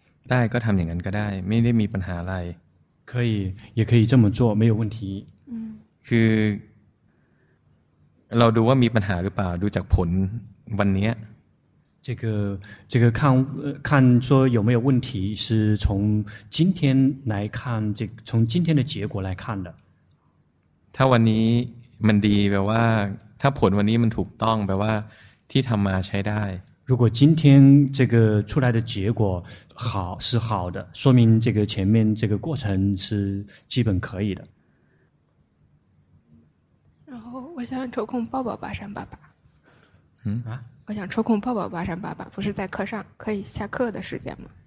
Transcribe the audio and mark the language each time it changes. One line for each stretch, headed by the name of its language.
Thai: ได้ก็ทำอย่างนั้นก็ได้ไม่ได้มีปัญหาอะไร
Chinese: 可以也可以这么做没有问题
Thai: คือเราดูว่ามีปัญหาหรือเปล่าดูจากผลวันนี้
Chinese: 这个看说有没有问题，是从今天来看，这个、从今天的结果来看的。
Thai: 他วันนี้มันดีแปลว่าถ้าผลวันนี้มันถูกต้องแปลว่าที่ทำมาใช้ได้。
Chinese: 如果今天这个出来的结果好是好的，说明这个前面这个过程是基本可以的。然后我想抽空抱抱巴山爸爸。我想抽空抱抱巴山爸爸，不是在课上，可以下课的时间吗？